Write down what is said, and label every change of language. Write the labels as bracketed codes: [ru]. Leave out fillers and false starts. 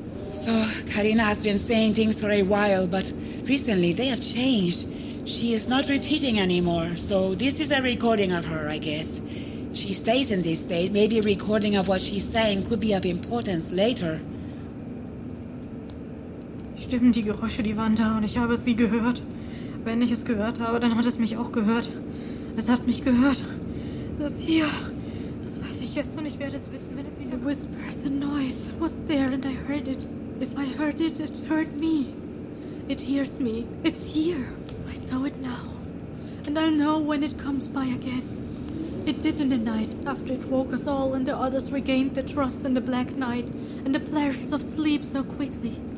[en] So, Karina has been saying things for a while, but recently they have changed. She is not repeating anymore, so this is a recording of her, I guess. She stays in this state. Maybe a recording of what she's saying could be of importance later. [de] Stimmen die Geräusche, die waren da, und ich habe sie gehört. Wenn ich es gehört habe, dann hat es mich auch gehört. Es hat mich gehört. Das hier, das weiß ich jetzt, und ich werde es wissen, wenn es wieder... [en] The whisper, the noise was there, and I heard it. If I heard it, it heard me. It hears me. It's here. I know it now. And I'll know when it comes by again. It did in the night, after it woke us all and the others regained their trust in the black night and the pleasures of sleep so quickly.